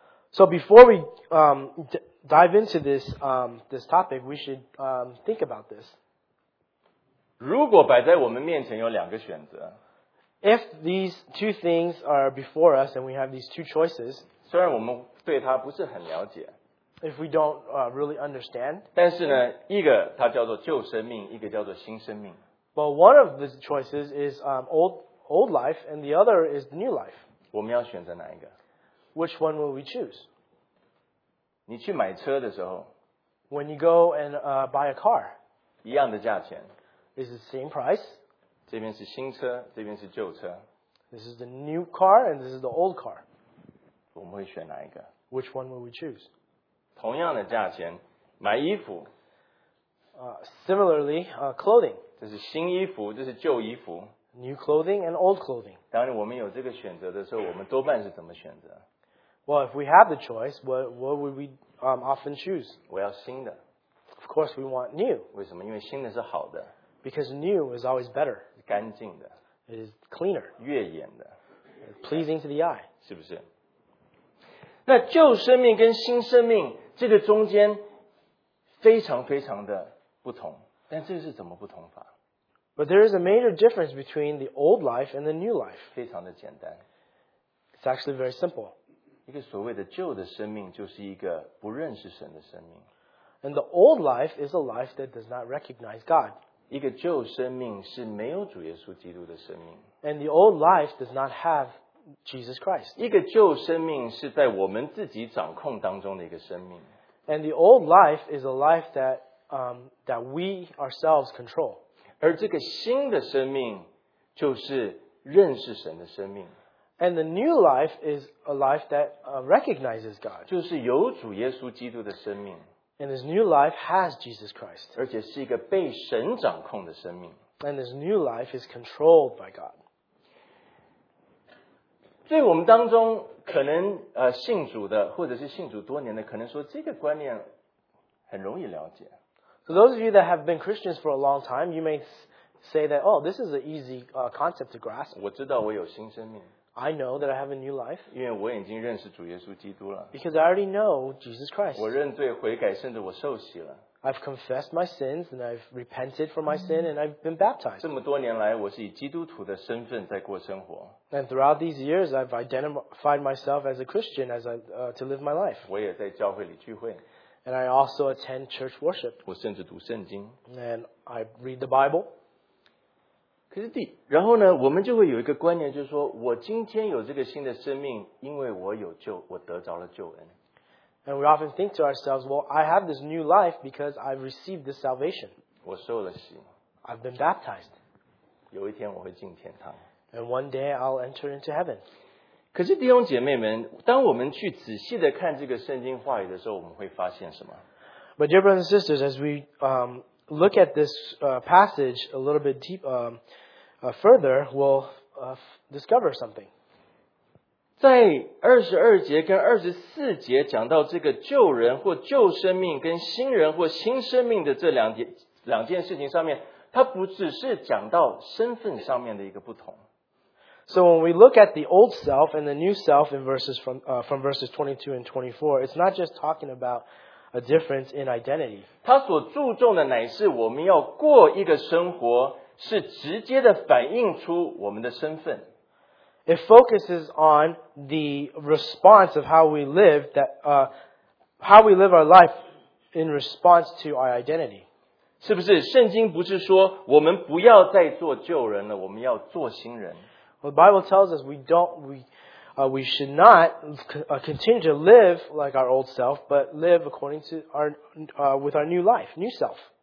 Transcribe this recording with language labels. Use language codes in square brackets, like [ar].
[en] So before we dive into this, this topic, we should think about this. [zh] 如果摆在我们面前有两个选择， [en] If these two things are before us and we have these two choices, [zh] 虽然我们对它不是很了解， [en] If we don't really understand, [zh] 但是呢，一个它叫做旧生命，一个叫做新生命。 [en] But one of the choices is old life and the other is new life. [zh] 我们要选择哪一个？ [en] Which one will we choose? [zh] 你去买车的时候， [en] When you go and buy a car, [zh] 一样的价钱， [en] Is the same price? [zh] 这边是新车，这边是旧车。 [en] This is the new car and this is the old car. [zh] 我们会选哪一个？ [en] Which one will we choose? [zh] 同样的价钱，买衣服。 [en] Similarly, clothing. [zh] 这是新衣服，这是旧衣服。 [en] New clothing and old clothing. [zh] 当我们有这个选择的时候，我们多半是怎么选择？ [en] Well, if we have the choice, what would we often choose? [zh] 我要新的。 [en] Of course, we want new. [zh] 为什么？因为新的是好的。 [en] Because new is always better. [zh] 干净的。 [en] It is cleaner. [zh] 悦眼的。 [en] Pleasing to the eye. [zh] 是不是？那旧生命跟新生命这个中间非常非常的不同，但这是怎么不同法？ [en] But there is a major difference between the old life and the new life. [zh] 非常的简单。 [en] It's actually very simple. [zh] 一个所谓的旧的生命就是一个不认识神的生命。 [en] And the old life is a life that does not recognize God. [zh] 一个旧生命是没有主耶稣基督的生命。 [en] And the old life does not have Jesus Christ. [zh] 一个旧生命是在我们自己掌控当中的一个生命。 [en] And the old life is a life that, that we ourselves control. [zh] 而这个新的生命就是认识神的生命。 [en] And the new life is a life that recognizes God. [zh] 就是有主耶稣基督的生命。 [en] And this new life has Jesus Christ. [zh] 而且是一个被神掌控的生命。 [en] And this new life is controlled by God. [zh] 所以我们当中可能信主的或者是信主多年的可能说这个观念很容易了解。 [en] So those of you that have been Christians for a long time, you may say that, oh, this is an easy concept to grasp. [zh] 我知道我有新生命。 [en] I know that I have a new life. [zh] 因为我已经认识主耶稣基督了。 [en] Because I already know Jesus Christ. [zh] 我认罪悔改，甚至我受洗了。 [en] I've confessed my sins and I've repented for my sin and I've been baptized. [zh] 这么多年来，我是以基督徒的身份在过生活。 [en] And throughout these years, I've identified myself as a Christian as I, to live my life. [zh] 我也在教会里聚会。 [en] And I also attend church worship. [zh] 我甚至读圣经。 [en] And I read the Bible. [zh] 可是然后呢，我们就会有一个观念，就是说我今天有这个新的生命，因为我有救，我得着了救恩。 [en] And we often think to ourselves, well, I have this new life because I've received this salvation. [zh] 我受了洗。 [en] I've been baptized. [zh] 有一天我会进天堂。 [en] And one day I'll enter into heaven. [zh] 可是弟兄姐妹们，当我们去仔细的看这个圣经话语的时候，我们会发现什么？ [en] But dear brothers and sisters, as we look at this passage a little bit deep, further, we'll discover something. [zh] 在22节跟24节讲到这个旧人或旧生命跟新人或新生命的这两件事情上面，它不只是讲到身份上面的一个不同。 [en] So when we look at the old self and the new self in verses from verses 22 and 24, it's not just talking about a difference in identity. [zh] 他所注重的乃是我们要过一个生活，是直接的反映出我们的身份。 [en] It focuses on the response of how we live how we live our life in response to our identity. [zh] 是不是？圣经不是说我们不要再做旧人了，我们要做新人。 [en] The Bible tells us we should not continue to live like our old self, but live according to with our new life, new self.